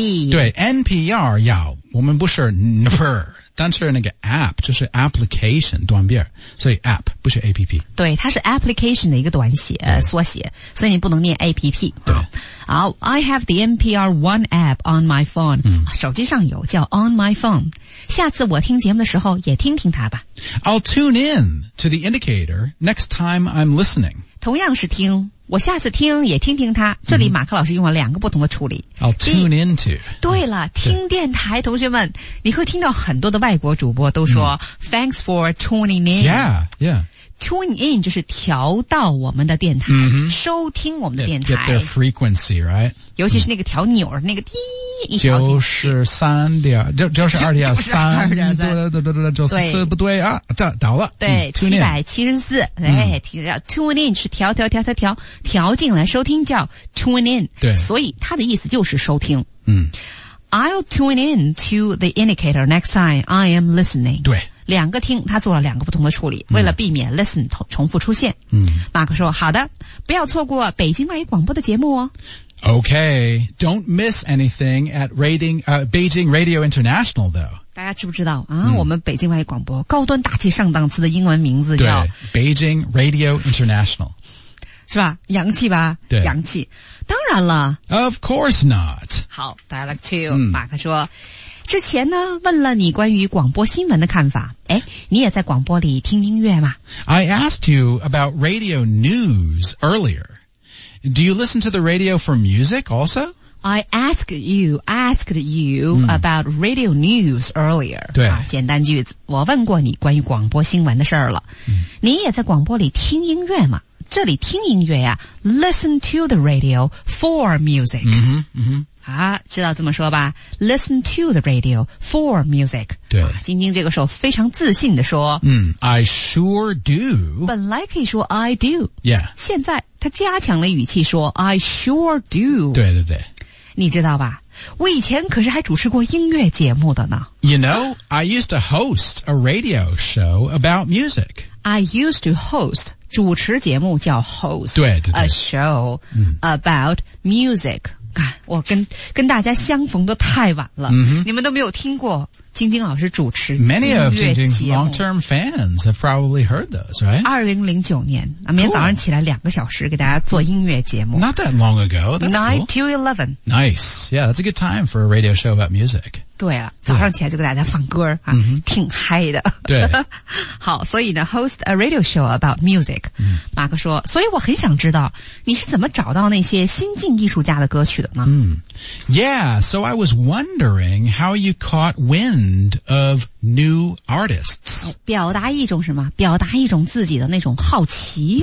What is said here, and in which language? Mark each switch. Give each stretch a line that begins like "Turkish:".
Chinese: 对 ,NPR 要我们不是 NPR。但是那个 app 就是 application 短边，所以 app 不是 app。对，它是 application 的一个短写缩写，所以你不能念 app。对，
English: 好 ，I have the NPR One app on my phone、嗯。
Chinese: 手机上有叫 on my phone。下次我听节目的时候也听听它吧。
English: I'll tune in to the indicator next time I'm listening。
Chinese: 同样是听。我下次听也听听他，这里马克老师用了两个不同的处理。
English: I'll tune into。
Chinese: 对了，听电台，同学们，你会听到很多的外国主播都说、
English: Thanks for tuning in. Yeah, yeah.
Chinese: Tune in 就是调到我们的电台、 mm-hmm. 收听我们的电台。
English: Get their frequency, right?
Chinese: 尤其是那个调钮、mm-hmm. 那个滴就是三点就是二点三就是四不对啊这倒了。对、774, 哎、嗯、tune in 是调进来收听叫 tune in。对。所以它的意思就是收听。嗯。
English: I'll tune in to the indicator next time I am listening。
Chinese: 对。两个听他做了两个不同的处理、为了避免 listen 重复出现。嗯。马克说好的不要错过北京外语广播的节目哦。
English: Okay, don't miss anything at Beijing Radio International, though.
Chinese: 大家知不知道啊、嗯、我们北京外语广播高端大气上档次的英文名字叫
English: Beijing Radio International.
Chinese: 是吧洋气吧对洋气。当然了。
English: Of course not.
Chinese: 好 dialogue 2,、马克说之前呢问了你关于广播新闻的看法。诶你也在广播里听音乐吗
English: ?I asked you about radio news earlier. Do you listen to the radio for music also? I asked you、about radio news earlier.
Chinese: 对、啊。简单句子。我问过你关于广播新闻的事儿了、嗯。你也在广播里听音乐吗这里听音乐啊 ,
English: listen to the radio for music. 嗯哼嗯哼。
Chinese: 啊知道这么说吧 ,
English: listen to the radio for music.
Chinese: 对。晶晶这个时候非常自信地说
English: 嗯 ,I sure do.
Chinese: 本来可以说 I do.
English: Yeah.
Chinese: 现在他加强了语气说
English: I sure do.
Chinese: 对对对。你知道吧我以前可是还主持过音乐节目的呢。
English: You know, I used to host a radio show about music. I used to host,
Chinese: 主持节目叫
English: host,
Chinese: 对对对
English: a show、about music.
Chinese: 看，我跟大家相逢的太晚了， mm-hmm. 你们都没有听过晶晶老师主持音乐节
English: 目。Many of Jingjing's long-term fans have probably heard those, right?
Chinese: 2009年，每天早上起来两个小时给大家做音乐节目。
English: Not that long ago, that's cool. 9 to 11. Nice. Yeah, that's a good time for a radio show about music.
Chinese: 对啊，早上起来就给大家放歌啊、 mm-hmm. 挺嗨的。对。好，所以呢
English: ,host a radio show about music.、 Mm-hmm.
Chinese: 马克说，所以我很想知道你是怎么找到那些新晋艺术家的歌曲的吗、
English: Yeah, so I was wondering how you caught wind. Of new artists.
Chinese: 表达一种什么？表达一种自己的那种好奇。